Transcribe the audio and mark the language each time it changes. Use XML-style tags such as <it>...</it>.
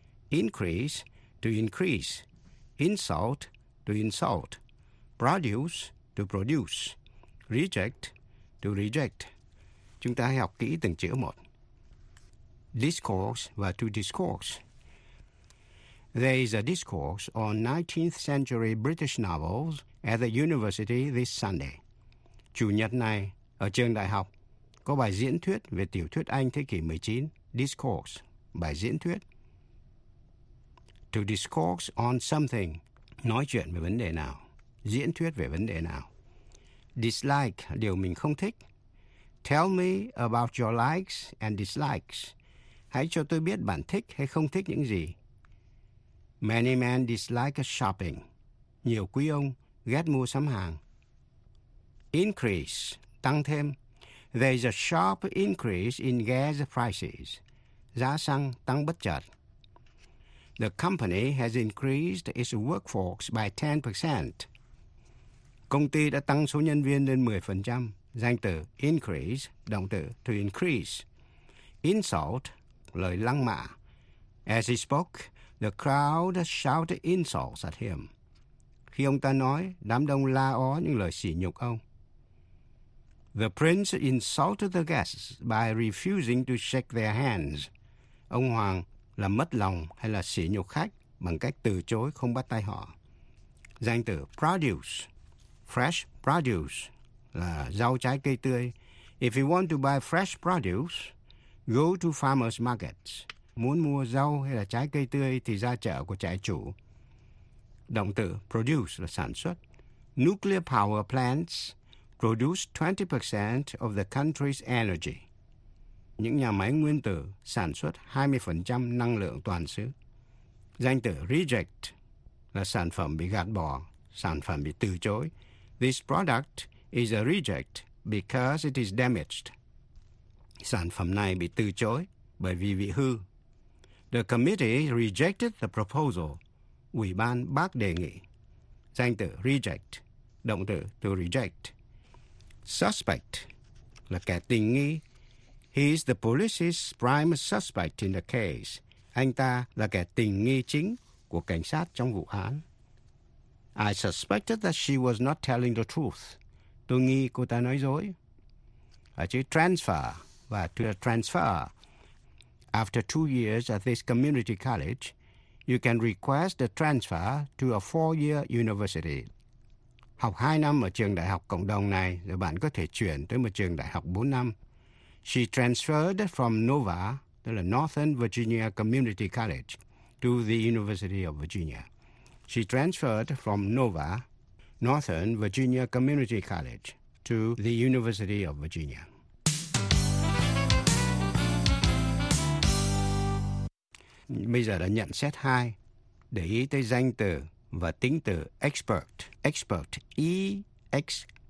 <en>Increase, to increase. Insult, to insult. Produce, to produce. Reject, to reject.</en> <vi>Chúng ta hãy học kỹ từng chữ một. Discourse và to discourse.</vi> <en>There is a discourse on 19th century British novels at the university this Sunday.</en> <vi>Chủ nhật này, ở trường đại học, có bài diễn thuyết về tiểu thuyết Anh thế kỷ 19. Discourse, bài diễn thuyết.</vi> <en>To discourse on something,</en> <vi>nói chuyện về vấn đề nào, diễn thuyết về vấn đề nào. Dislike, điều mình không thích.</vi> <en>Tell me about your likes and dislikes.</en> <vi>Hãy cho tôi biết bạn thích hay không thích những gì.</vi> <en>Many men dislike shopping.</en> <vi>Nhiều quý ông ghét mua sắm hàng. Increase, tăng thêm.</vi> <en>There is a sharp increase in gas prices.</en> <vi>Giá xăng tăng bất chợt.</vi> <en>The company has increased its workforce by 10%.</en> <vi>Công ty đã tăng số nhân viên lên 10%. Danh từ increase, động từ to increase. Insult, lời lăng mạ.</vi> <en>As he spoke, the crowd shouted insults at him.</en> <vi>Khi ông ta nói, đám đông la ó những lời sỉ nhục ông.</vi> <en>The prince insulted the guests by refusing to shake their hands.</en> <vi>Ông hoàng là mất lòng hay là sỉ nhục khách bằng cách từ chối không bắt tay họ. Danh từ produce, fresh produce, là rau trái cây tươi.</vi> <en>If you want to buy fresh produce, go to farmers markets.</en> <vi>Muốn mua rau hay là trái cây tươi thì ra chợ của trại chủ. Động từ produce là sản xuất.</vi> <en>Nuclear power plants produce 20% of the country's energy.</en> <vi>Những nhà máy nguyên tử sản xuất 20% năng lượng toàn xứ. Danh từ reject là sản phẩm bị gạt bỏ, sản phẩm bị từ chối.</vi> <en>This product is a reject because it is damaged.</en> <vi>Sản phẩm này bị từ chối bởi vì bị hư.</vi> <en>The committee rejected the proposal.</en> <vi>Ủy ban bác đề nghị. Danh từ reject, động từ to reject. Suspect là kẻ tình nghi.</vi> <en>He is the police's prime suspect in the case.</en> <vi>Anh ta là kẻ tình nghi chính của cảnh sát trong vụ án.</vi> <en>I suspected that she was not telling the truth.</en> <vi>Tôi nghi cô ta nói dối. Ở chữ transfer và to transfer.</vi> <en>After 2 years at this community college, you can request a transfer to a 4-year university.</en> <vi>Học 2 năm ở trường đại học cộng đồng này, rồi bạn có thể chuyển tới một trường đại học 4 năm.</vi> <en>She transferred from NOVA,</en> <vi>tức là</vi> <en>Northern Virginia Community College, to the University of Virginia. She transferred from NOVA, Northern Virginia Community College, to the University of Virginia.</en> <vi>Bây giờ đã nhận xét hai, để ý tới danh từ và tính từ expert.</vi> <en>Expert, E-X-P-E-R-T.</en>